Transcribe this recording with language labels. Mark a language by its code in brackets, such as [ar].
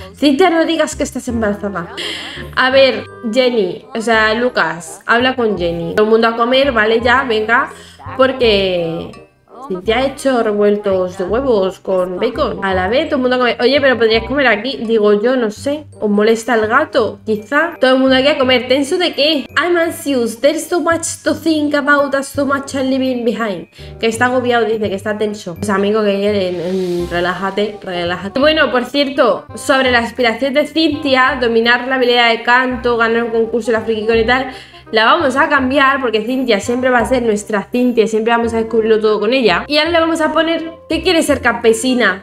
[es] Cintia, no digas que estás embarazada. A ver, Jenny, o sea, Lucas, habla con Jenny. Todo el mundo a comer, vale, ya, venga. Porque Cintia ha hecho revueltos de huevos con bacon. A la vez, todo el mundo come. Oye, pero podrías comer aquí. Digo yo, no sé. ¿Os molesta el gato? Quizá. Todo el mundo aquí a comer. ¿Tenso de qué? [en] I'm anxious. There's so much to think about. There's so much I'm leaving behind. [es] Que está agobiado, dice que está tenso. Pues amigo, que relájate, relájate. Y bueno, por cierto, sobre la aspiración de Cintia, dominar la habilidad de canto, ganar un concurso de la Frikicon y tal. La vamos a cambiar porque Cintia siempre va a ser nuestra Cintia. Siempre vamos a descubrirlo todo con ella. Y ahora le vamos a poner que quiere ser campesina.